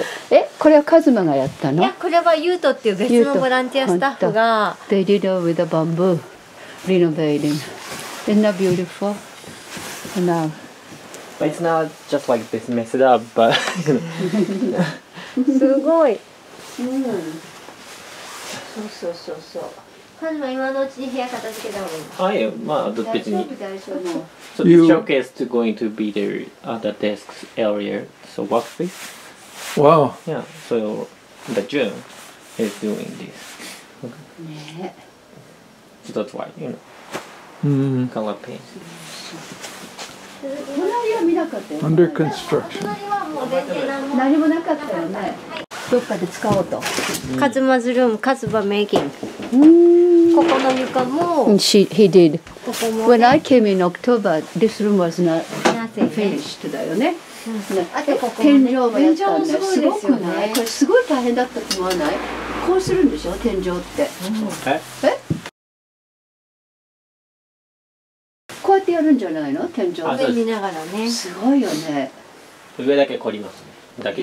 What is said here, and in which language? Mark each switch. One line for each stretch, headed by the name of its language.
Japanese: え、これはカズマがやったの？いや、これはユートっていう別のボランティアスタッフが。
English: They did it with a bamboo, renovating. Isn't that beautiful? Now, but it's not just like this messed up, but.
Japanese: すごい。そうそうそうそう。カズマ、今のうちに部屋片付けた方がいい。はい、まあ、別に。
English: So this showcase is going to be there at the desk's area, so workspace. Wow. Yeah, so the June is doing this.
Japanese: ね。
English: So that's why, you know. Color paint.
Japanese: 隣は見なかったよ。
English: Under construction.
Japanese: 隣はもう全然何もなかったよね。どっかで使おうと。
English: カズマズルーム、カズマメイキング。
Japanese: ここの床も。
English: He did.
Japanese: ここも、ね。
English: When I came in October, this room was not finished
Japanese: だよね。ね、あとここ、ね、天井もやったんで、すごくない？これすごい大変だったと思わない？こうするんでしょ、天井って。うん、こうやってやるんじゃないの？天井で見ながらね。すごいよね。上だけ凝りますね。だけ